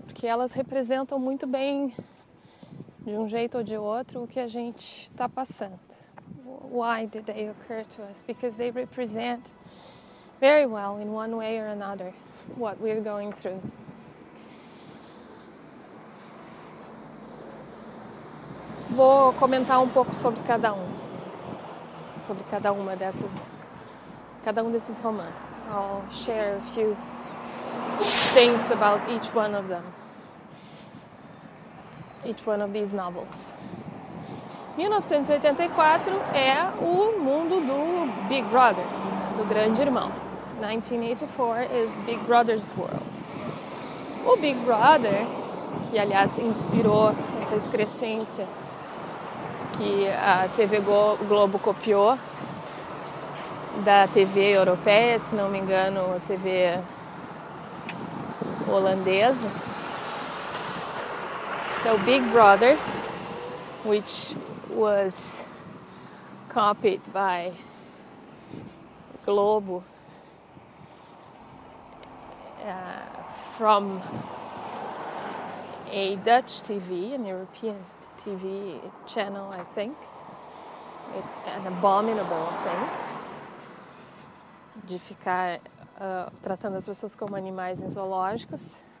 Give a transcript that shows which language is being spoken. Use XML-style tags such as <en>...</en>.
<pt>Porque elas representam muito bem, de um jeito ou de outro, o que a gente está passando.</pt> <en>Why did they occur to us? Because they represent very well, in one way or another, what we're going through.</en> <pt>Vou comentar um pouco sobre cada um, sobre cada uma dessas. Cada um desses romances.</pt> <en>I'll share a few things about each one of them. Each one of these novels.</en> <pt>1984 é o mundo do Big Brother, do Grande Irmão.</pt> <en>1984 is Big Brother's world.</en> <pt>O Big Brother, que aliás inspirou essa excrescência que a TV Globo copiou, da TV europeia, se não me engano, a TV holandesa.</pt> <en>So Big Brother, which was copied by Globo from a Dutch TV, an European TV channel, I think. It's an abominable thing.</en> <pt>De ficar tratando as pessoas como animais em zoológicos.</pt>